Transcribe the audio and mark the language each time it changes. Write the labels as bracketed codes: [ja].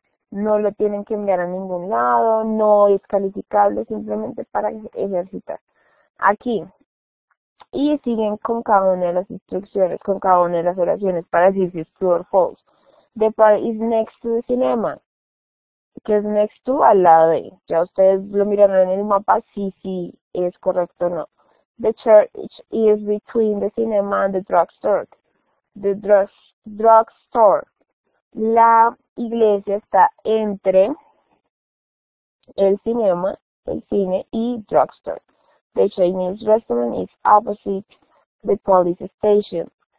[es] No lo tienen que enviar a ningún lado, no es calificable, simplemente para ejercitar. Aquí. Y siguen con cada una de las instrucciones, con cada una de las oraciones para decir si es [en] true or false. The park is next to the cinema. [es] Que es [en] next to [es] al lado de. Ya ustedes lo miraron en el mapa, sí, es correcto o no. [en] The church is between the cinema and the drugstore. The drugstore. [es] La iglesia está entre el cinema, el cine y drugstore. [en] The Chinese restaurant is opposite the police station.